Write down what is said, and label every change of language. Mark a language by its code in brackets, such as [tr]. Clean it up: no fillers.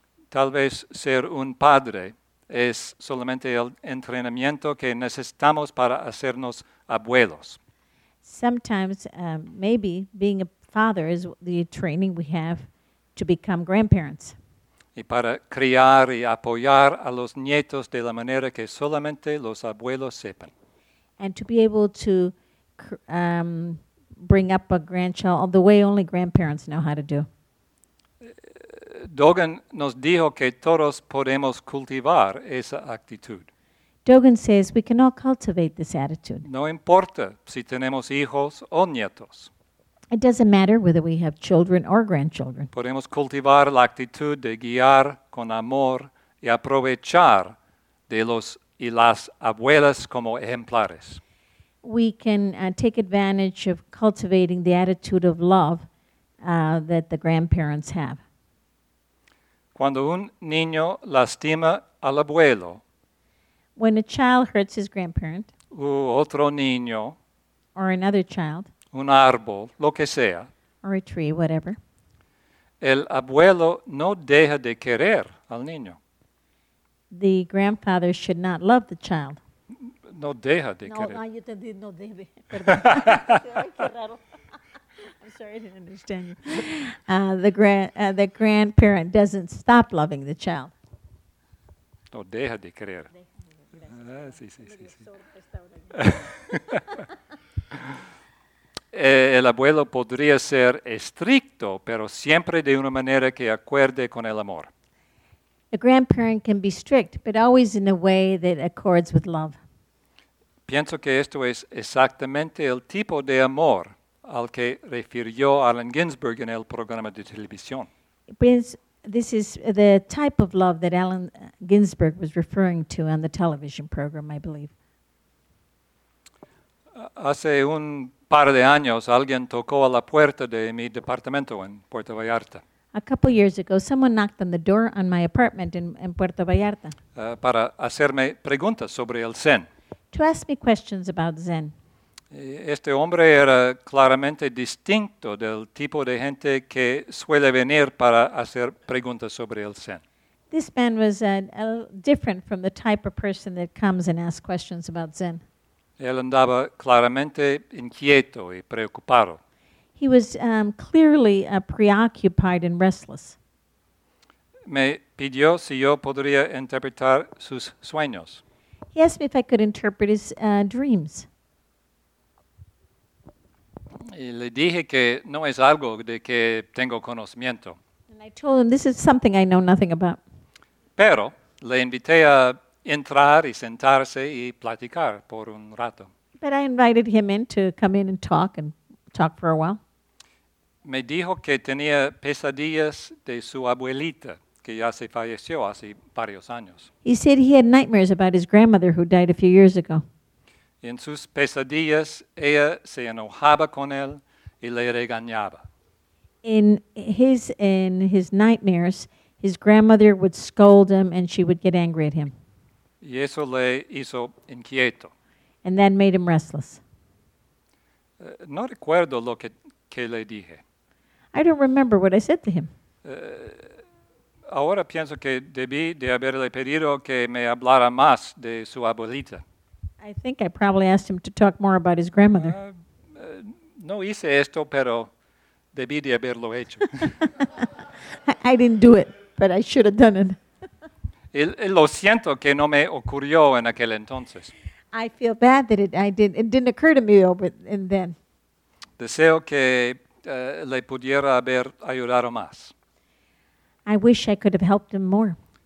[es] Tal vez ser un padre es solamente el entrenamiento que necesitamos para hacernos abuelos. [en] Sometimes, maybe being a father is the training we have to become grandparents. [es] Y para criar y apoyar a los nietos de la manera que solamente los abuelos sepan. [en] And to be able to bring up a grandchild the way only grandparents know how to do. [es] Dogen nos dijo que todos podemos cultivar esa actitud. [en] Dogen says we can all cultivate this attitude. [es] No importa si tenemos hijos o nietos. [en] It doesn't matter whether we have children or grandchildren. [es] Podemos cultivar la actitud de guiar con amor y aprovechar de los y las abuelas como ejemplares. [en] We can take advantage of cultivating the attitude of love that the grandparents have. [es] Cuando un niño lastima al abuelo, [en] when a child hurts his grandparent, [es] u otro niño, [en] or another child, [es] un árbol, lo que sea, [en] or a tree, whatever, [es] el abuelo no deja de querer al niño. [en] The grandfather should not love the child. [es] No deja de querer. No, yo entendí, no debe. Perdón. Qué raro. [en] The grandparent doesn't stop loving the child. [es] No, deja de creer. Sí. El abuelo podría ser estricto, pero siempre de una manera que acuerde con el amor. [en] A grandparent can be strict, but always in a way that accords with love. [es] Pienso que esto es exactamente el tipo de amor al que refirió Allen Ginsberg en el programa de televisión. [en] This is the type of love that Allen Ginsberg was referring to on the television program, I believe. [es] Hace un par de años, alguien tocó a la puerta de mi departamento en Puerto Vallarta. [en] A couple years ago, someone knocked on the door on my apartment in Puerto Vallarta. [es] Para hacerme preguntas sobre el Zen. [en] To ask me questions about Zen. [es] Este hombre era claramente distinto del tipo de gente que suele venir para hacer preguntas sobre el Zen. [en] This man was different from the type of person that comes and asks questions about Zen. [es] Él andaba claramente inquieto y preocupado. [en] He was clearly preoccupied and restless. [es] Me pidió si yo podría interpretar sus sueños. [en] He asked me if I could interpret his dreams. [es] Y le dije que no es algo de que tengo conocimiento. [en] And I told him this is something I know nothing about. [es] Pero le invité a entrar y sentarse y platicar por un rato. [en] But I invited him in to come in and talk for a while. [es] Me dijo que tenía pesadillas de su abuelita, que ya se falleció hace varios años. [en] He said he had nightmares about his grandmother who died a few years ago. [es] En sus pesadillas, ella se enojaba con él y le regañaba. [en] In his nightmares, His grandmother would scold him and she would get angry at him. [es] Y eso le hizo inquieto. [en] And that made him restless. [es] No recuerdo lo que le dije. [en] I don't remember what I said to him. [es] Ahora pienso que debí de haberle pedido que me hablara más de su abuelita. [en] I think I probably asked him to talk more about his grandmother. [es] No hice esto, pero debí de haberlo hecho. [en] I didn't do it, but I should have done it. [es] Y lo siento que no me ocurrió en aquel entonces. [en] I feel bad that it didn't occur to me then. [es] Deseo que le pudiera haber ayudado más. [en] I wish I could have helped him more.